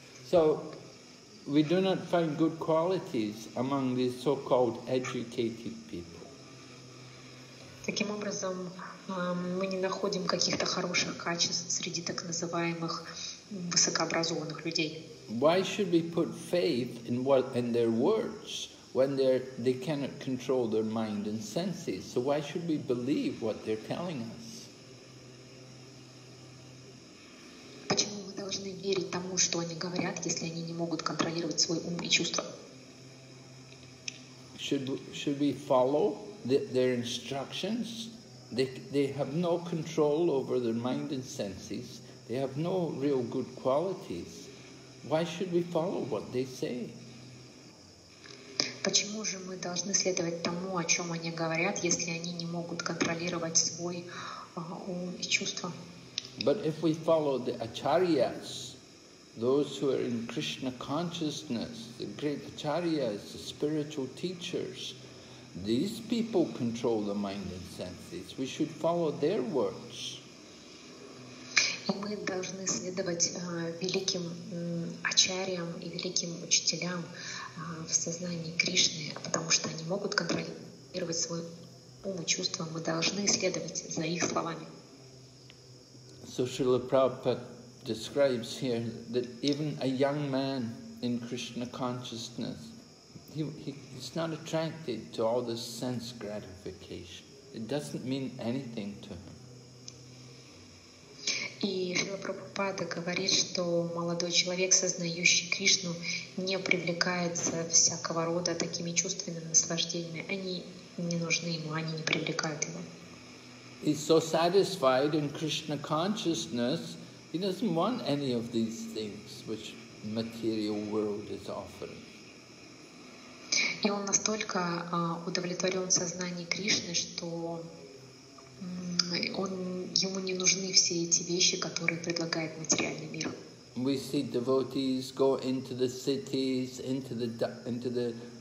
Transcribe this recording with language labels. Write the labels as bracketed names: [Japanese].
[English] So we do not find good qualities among these so-called educated people. [Russian] Таким образом, мы не находим каких-то хороших качеств среди так называемых высокообразованных людей. [English] Why should we put faith in their words when they cannot control their mind and senses? So why should we believe what they're telling us? [Russian] Почему мы должны верить тому, что они говорят, если они не могут контролировать свой ум и чувства? [English] Should we follow their instructions? They have no control over their mind and senses. They have no real good qualities. Why should we follow what they say? [Russian] Почему же мы должны следовать тому, о чем они говорят, если они не могут контролировать свой ум и чувства? [English] But if we follow the acharyas, those who are in Krishna consciousness, the great acharyas, the spiritual teachers, these people control the mind and senses. We should follow their words. [Russian] Мы должны следовать великим ачарьям и великим учителям в сознании Кришны, потому что они могут контролировать свой ум и чувства. Мы должны следовать за их словами. [English] So Srila Prabhupada describes here that even a young man in Krishna consciousness, he's not attracted to all this sense gratification. It doesn't mean anything to him. [Russian] И Шрила Прабхупада говорит, что молодой человек, сознающий Кришну, не привлекается всякого рода такими чувственными наслаждениями. Они не нужны ему, они не привлекают его. [English] He's so satisfied in Krishna consciousness, he doesn't want any of these things which material world is offering. [Russian] И он настолько удовлетворен сознанием Кришны, что ему не нужны все эти вещи, которые предлагает материальный мир. [English] We see devotees go into the cities, into the